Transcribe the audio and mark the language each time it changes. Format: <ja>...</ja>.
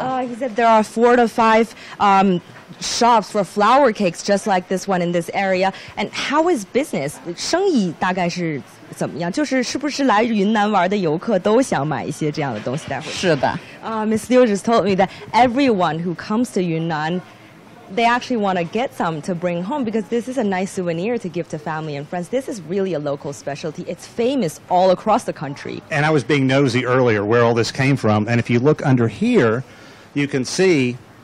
<en>He said there are 4 to 5 shops for flower cakes just like this one in this area. And how is business?</en> <zh>生意大概是怎么样？就是是不是来云南玩的游客都想买一些这样的东西带回去？是的。</zh> <en>Miss Liu just told me that everyone who comes to Yunnan, they actually want to get some to bring home because this is a nice souvenir to give to family and friends. This is really a local specialty. It's famous all across the country. And I was being nosy earlier where all this came from. And if you look under here, you can see...</en>